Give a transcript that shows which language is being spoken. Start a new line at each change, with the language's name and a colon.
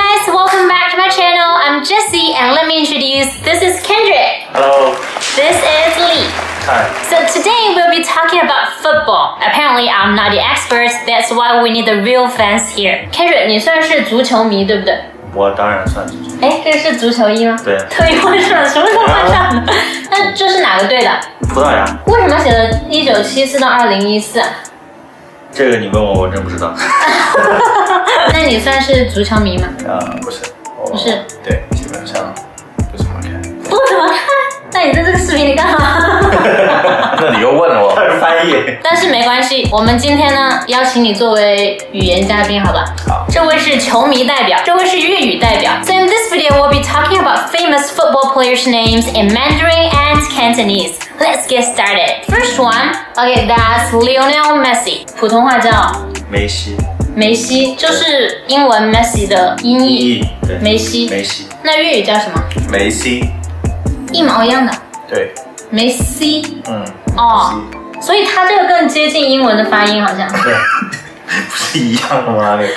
English: Lee, and let me introduce, this is Kendrick. Hello. This is Lee. Hi. So today we'll be talking about football. Apparently I'm not the expert, that's why we need the real fans here.
Chinese: Kendrick, 你算是足球迷对不对？我当然算足球。哎，这是足球衣吗？对。特意换上，什么时候换上的？那这是哪个队的？葡萄牙。为什么写的1974到2014？这个你问我，我真不知道。那你算是足球迷吗？不是。不是。对，基本上不怎么看。不怎么看？那你在这个视频里干嘛？那你又问我，他是翻译。但是没关系，我们今天呢邀请你作为语言嘉宾，好吧？好。这位是球迷代表，这位是粤语代表。
English: So in this video, we'll be talking about famous football players' names in Mandarin and Cantonese. Let's get started. First one, okay, that's Lionel Messi.
Chinese: 普通话叫梅西。梅西就是英文 Messi 的音译。对，梅西。梅西。那粤语叫什么？梅西。一毛一样的。对。梅西。嗯。哦。所以他这个更接近英文的发音好像。对。不是一样的吗？